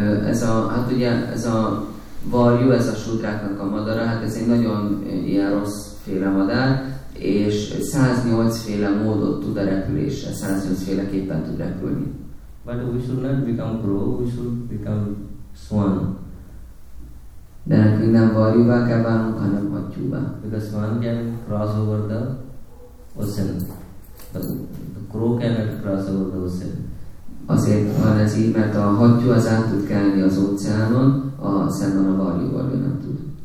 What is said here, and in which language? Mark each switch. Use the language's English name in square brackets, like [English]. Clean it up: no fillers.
[Hungarian] Ez a varjú, ez a sútráknak a madara, hát ez egy nagyon ilyen rossz féle madár, és 108 féle módot tud a repülésre, 108 féleképpen tud repülni. [English] But we should not become crow, we should become swan. [Hungarian] De nekünk nem varjúvá kell válnunk, hanem mattyúvá. [English] Because one can cross over the ocean. The crow cannot cross over the ocean. [Hungarian] Azért van ez így, mert a hattyú az át tud kelni az óceánon, a szemben a varjúval ő nem tud.